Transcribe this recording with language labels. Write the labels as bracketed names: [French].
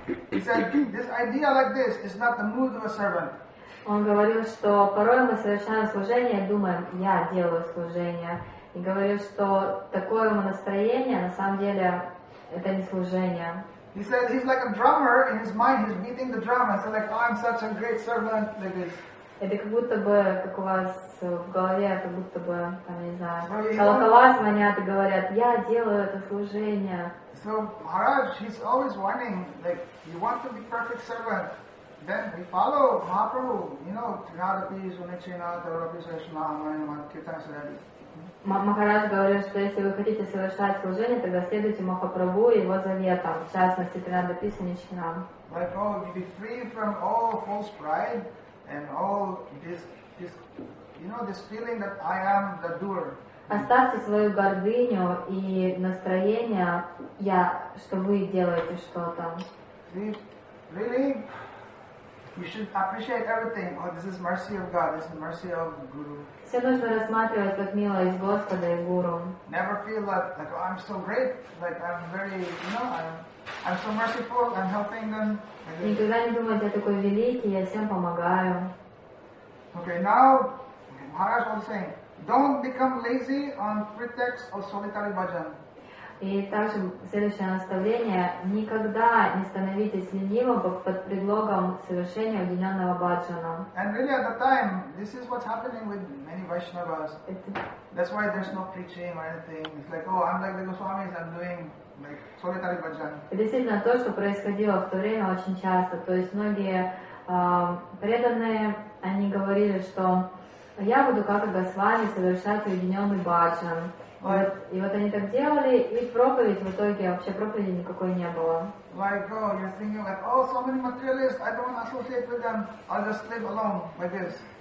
[English] He said, this idea like this is not the mood of a servant. [Russian] Он говорил, что порой мы совершаем служение, думаем, я делаю служение. И говорил, что такое ему настроение, на самом деле, это не служение. [English] He said he's like a drummer in his mind, he's beating the drum. I said, like, oh, I'm such a great servant like this. [Russian] Это как будто бы, как у вас в голове, как будто бы, там, я не знаю, колокола звонят и говорят, я делаю это служение. [English] So Maharaj, he's always whining, like, you want to be perfect servant. Then we follow Mahaprabhu, you know, Trinadapi, Sunichinata, Rabbi Sashnama, and Kirtan Sarali. [Russian] Махарадж говорил, что если вы хотите совершать служение, тогда следуйте Махапрабху и его заветам, в частности, Тринадапи, Сунишинам. [English] Like, oh, you'll be free from all false pride and all this, you know, this feeling that I am the doer. [Russian] Оставьте свою гордыню и настроение, я, что вы делаете что-то. [English] Really? You should appreciate everything. Oh, this is mercy of God. This is mercy of Guru. [Russian] Все нужно рассматривать как милость Господа и Гуру. [English] Never feel like oh, I'm so great. Like I'm very, you know, I'm so merciful. I'm helping them. [Russian] Никогда не думайте, я такой великий, я всем помогаю. [English] Okay, now Maharaj was saying, don't become lazy on pretext of solitary bhajan. [Russian] И также следующее наставление: никогда не становитесь ленивым под предлогом совершения уединенного баджана. [English] And really at the time, this is what's happening with many Vaishnavas. That's why there's no preaching or anything. It's like, oh, I'm like the Goswamis, I'm doing like solitary bhajan. [Russian] И действительно то, что происходило в то время очень часто. То есть многие преданные, они говорили, что я буду как Госвами совершать уединенный баджан. И вот они так делали, и проповедь в итоге вообще проповеди никакой не было. [English] Like, oh, you're thinking like, oh, so many materialists, I don't associate with them, I'll just live alone like this.